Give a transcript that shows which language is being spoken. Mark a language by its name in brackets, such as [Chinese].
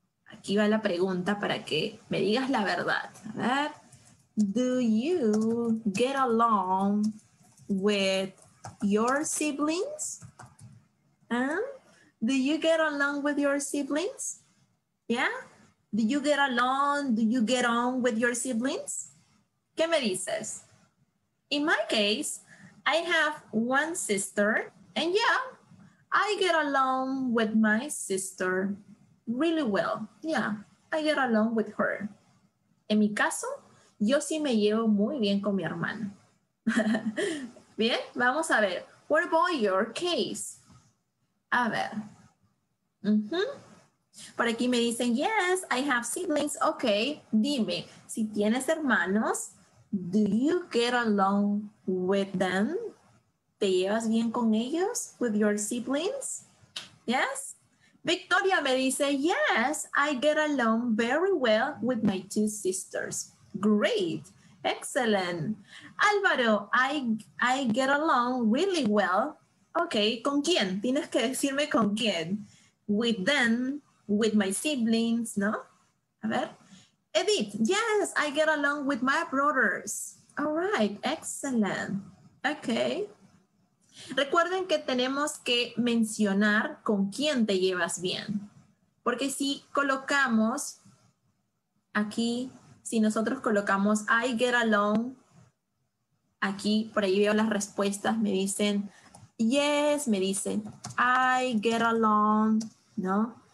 [Spanish] Aquí va la pregunta para que me digas la verdad. A ver, [English] do you get along with your siblings? Do you get along with your siblings? Yeah? Do you get along? Do you get on with your siblings? [Spanish] ¿Qué me dices? [English] In my case, I have one sister, and yeah, I get along with my sister really well. Yeah, I get along with her. [Spanish] En mi caso, yo sí me llevo muy bien con mi hermana. Bien, vamos a ver. [English] What about your case? [Spanish] A ver. Por aquí me dicen, [English] yes, I have siblings. [Spanish] Ok, dime, si tienes hermanos, [English] do you get along with them? [Spanish] ¿Te llevas bien con ellos? [English] With your siblings? Yes. Victoria [Spanish] me dice, [English] yes, I get along very well with my two sisters. Great. Excellent. Álvaro, I get along really well. [Spanish] Okay, ¿con quién? Tienes que decirme con quién. [English] With them, with my siblings, [Spanish] ¿no? A ver. [English] Edith, yes, I get along with my brothers. All right, excellent. Okay. [Spanish] Recuerden que tenemos que mencionar con quién te llevas bien. Porque si colocamos aquí, si nosotros colocamos [English] I get along, [Spanish] aquí, por ahí veo las respuestas, me dicen yes, me dicen I get along, ¿no?